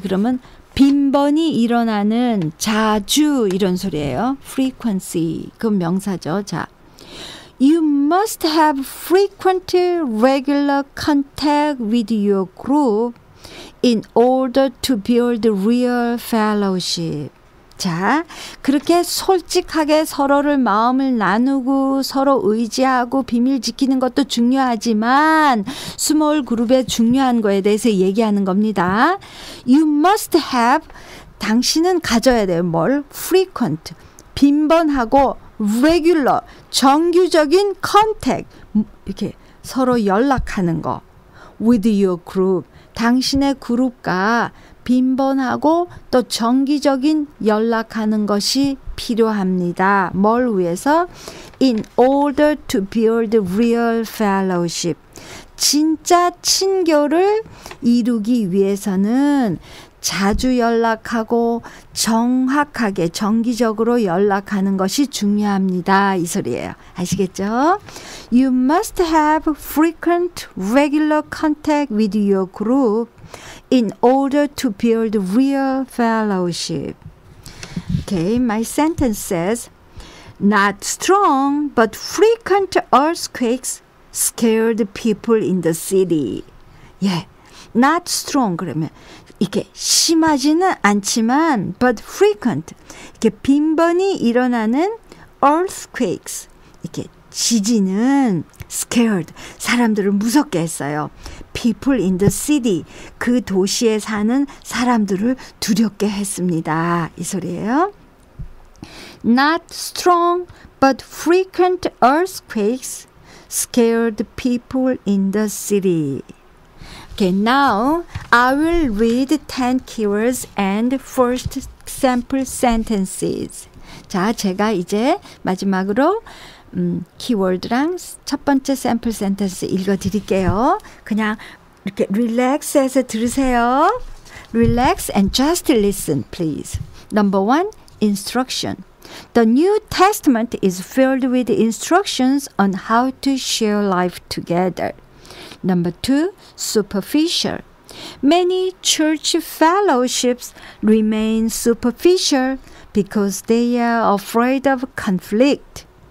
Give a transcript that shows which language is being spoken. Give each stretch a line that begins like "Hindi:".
Korean: 그러면 빈번히 일어나는 자주 이런 소리예요. Frequency. 그건 명사죠. 자.
English: You must have frequent regular contact with your group in order to build real fellowship.
Korean: 자, 그렇게 솔직하게 서로를 마음을 나누고 서로 의지하고 비밀 지키는 것도 중요하지만 스몰 그룹의 중요한 거에 대해서 얘기하는 겁니다.
English: You must have,
Korean: 당신은 가져야 돼요. 뭘? Frequent, 빈번하고 regular, 정규적인 contact, 이렇게 서로 연락하는 거.
English: With your group,
Korean: 당신의 그룹과 빈번하고 또 정기적인 연락하는 것이 필요합니다. 뭘 위해서?
English: In order to build real fellowship.
Korean: 진짜 친교를 이루기 위해서는 자주 연락하고 정확하게 정기적으로 연락하는 것이 중요합니다. 이 소리예요. 아시겠죠?
English: You must have frequent regular contact with your group in order to build real fellowship. Okay, my sentence says, not strong but frequent earthquakes scared people in the city.
Korean: Yeah,
English: not strong
Korean: 그러면 이렇게 심하지는 않지만
English: but frequent
Korean: 이렇게 빈번히 일어나는 earthquakes 이렇게 지진은 scared 사람들을 무섭게 했어요.
English: People in the city
Korean: 그 도시에 사는 사람들을 두렵게 했습니다. 이 소리예요.
English: Not strong but frequent earthquakes scared people in the city. Okay, now I will read 10 keywords and first sample sentences.
Korean: 자, 제가 이제 마지막으로 키워드랑 첫 번째 샘플 센텐스 읽어드릴게요. 그냥 이렇게 릴렉스해서 들으세요.
English: Relax and just listen, please. Number one, instruction. The New Testament is filled with instructions on how to share life together. Number two, superficial. Many church fellowships remain superficial because they are afraid of conflict.